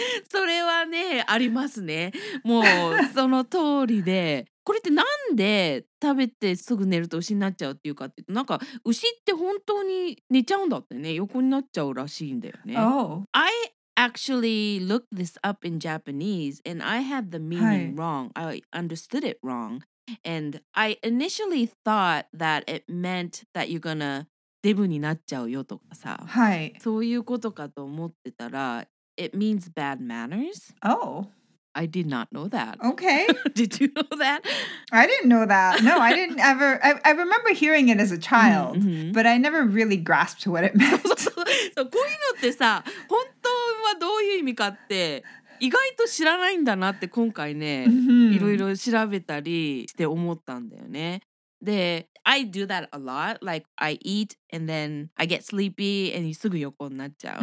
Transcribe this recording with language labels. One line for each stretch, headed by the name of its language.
Japanese: それはねありますねもうその通りでこれってなんで食べてすぐ寝ると牛になっちゃうっていうかってなんか牛って本当に寝ちゃうんだってね横になっちゃうらしいんだよね、
English: oh. I actually looked this up in Japanese and I had the meaning、はい、wrong I understood it wrong and I initially thought that it meant that you're gonna
Japanese: デブになっちゃうよとかさ、はい、そういうことかと思ってたら
English: it means bad manners Oh. I did not know that. Okay. Did you know that? I didn't know that. No, I didn't ever... I remember hearing it as a child, mm-hmm. but I never really grasped what it meant.
Japanese: So, こういうのってさ、本当はどういう意味かって、意外と知らないんだなって今回ね、いろいろ調べたりして思ったんだよね。
English: で、I do that a lot. Like, I eat and then I get sleepy and
Japanese: すぐ横になっちゃう。